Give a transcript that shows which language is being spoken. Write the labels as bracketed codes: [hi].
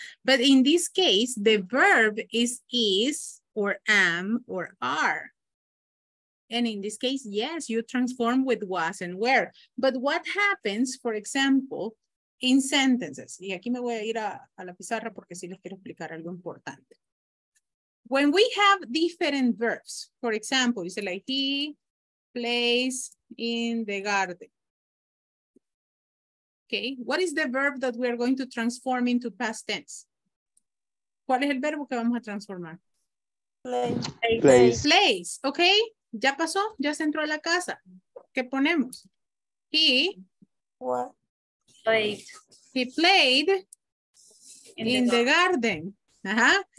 [en] But in this case, the verb is or am or are. And in this case, yes, you transform with was and were. But what happens, for example, in sentences? [es] Y aquí me voy a ir a la pizarra porque sí les quiero explicar algo importante. [en] When we have different verbs, for example, you say like he plays in the garden. Okay, what is the verb that we are going to transform into past tense? [es] ¿Cuál es el verbo que vamos a transformar? [en] Plays. Plays, okay. [es] Ya pasó, ya se entró a la casa. ¿Qué ponemos? He [en] played. He played in the garden. Ajá.